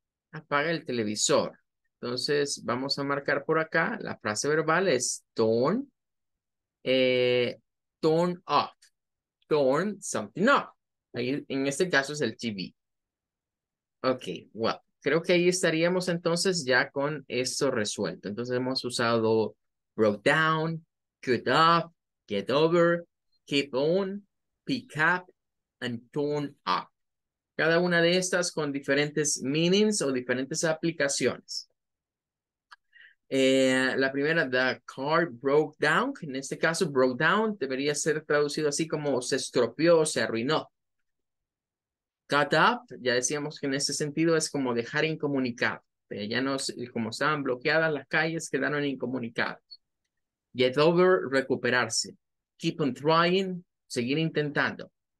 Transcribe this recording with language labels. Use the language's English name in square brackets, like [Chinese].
[Spanish] Apaga el televisor. Entonces vamos a marcar por acá, la frase verbal es turn Turn off. Turn something off. Ahí, en este caso es el TV. Ok, well, creo que ahí estaríamos entonces ya con esto resuelto. Entonces hemos usado broke down, cut off, get over, keep on, pick up, and turn off. Cada una de estas con diferentes meanings o diferentes aplicaciones. La primera, [English] the car broke down. [Spanish] En este caso, broke down debería ser traducido así como se estropeó o se arruinó. Cut off, ya decíamos que en ese sentido es como dejar incomunicado. Ya no, como estaban bloqueadas las calles, quedaron incomunicadas. Get over, recuperarse. Keep on trying, seguir intentando.